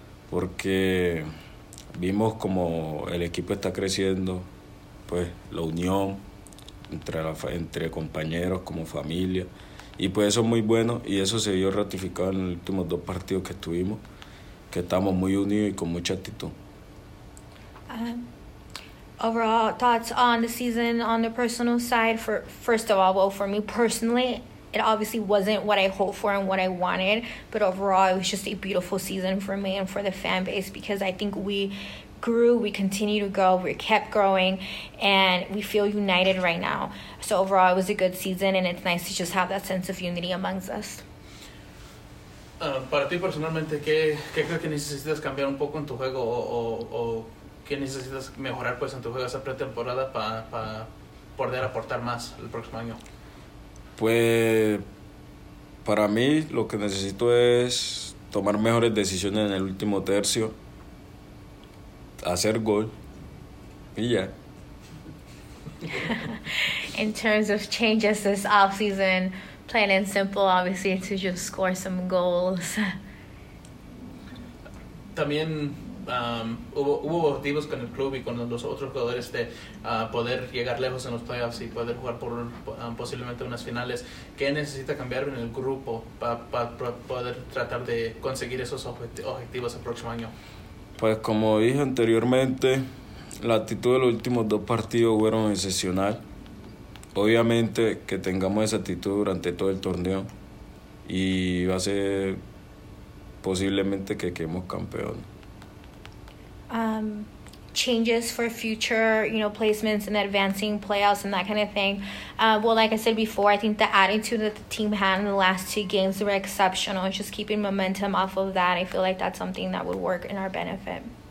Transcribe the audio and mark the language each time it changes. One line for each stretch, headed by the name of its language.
Spanish: Porque vimos como el equipo está creciendo, pues la unión entre compañeros, como familia. Y pues eso es muy bueno y eso se vio ratificado en los últimos dos partidos que estuvimos, que estamos muy unidos y con mucha actitud.
English: Overall thoughts on the season on the personal side, for first of all, well, for me personally, it obviously wasn't what I hoped for and what I wanted, but overall it was just a beautiful season for me and for the fan base, because I think we grew, we continue to grow, we kept growing, and we feel united right now. So overall it was a good season, and it's nice to just have that sense of unity amongst us.
Spanish: Para ti personalmente, ¿qué crees que necesitas cambiar un poco en tu juego o qué necesitas mejorar pues en tu juego esa pretemporada para poder aportar más el próximo año? Pues para mí lo que necesito es tomar mejores decisiones en el último tercio, hacer gol y ya.
English: In terms of changes this off season, plain and simple, obviously, to just score some goals.
Spanish: También hubo objetivos con el club y con los otros jugadores de poder llegar lejos en los playoffs y poder jugar por posiblemente unas finales. ¿Qué necesita cambiar en el grupo para poder tratar de conseguir esos objetivos el próximo año? Pues como dije anteriormente, la actitud de los últimos dos partidos fueron excepcional. Obviamente que tengamos esa actitud durante todo el torneo y va a ser posiblemente que quedemos campeón.
English: Changes for future, you know, placements and advancing playoffs and that kind of thing. Well, like I said before, I think the attitude that the team had in the last two games were exceptional. It's just keeping momentum off of that. I feel like that's something that would work in our benefit.